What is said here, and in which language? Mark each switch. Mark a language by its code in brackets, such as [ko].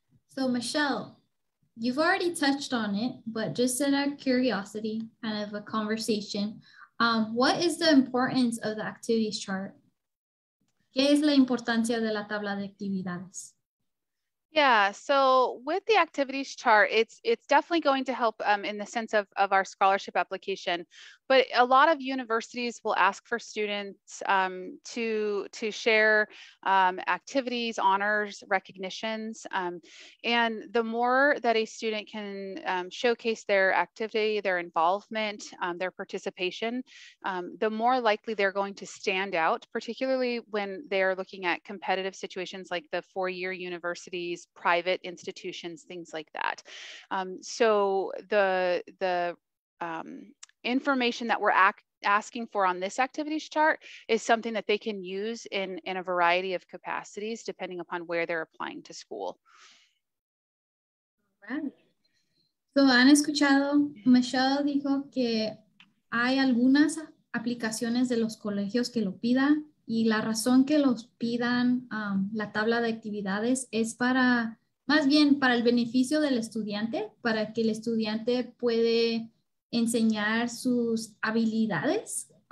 [en] So, Michelle, you've already touched on it, but just in our curiosity, kind of a conversation, what is the importance of the activities chart? [es] ¿Qué es la importancia de la tabla de actividades? [en] Yeah, so with the activities chart, it's definitely going to help in the sense of our scholarship application. But a lot of universities will ask for students to share activities, honors, recognitions. And the more that a student can showcase their activity, their involvement, their participation, the more likely they're going to stand out, particularly when they're looking at competitive situations like the four-year universities, private institutions, things like that. So the information that we're asking for on this activities chart is something that they can use in a variety of capacities, depending upon where they're applying to school. All right. So, ¿han escuchado? [es] Michelle dijo que hay algunas aplicaciones de los colegios que lo pidan. Y la razón que los pidan la tabla de actividades es para, más bien para el beneficio del estudiante, para que el estudiante puede enseñar sus habilidades.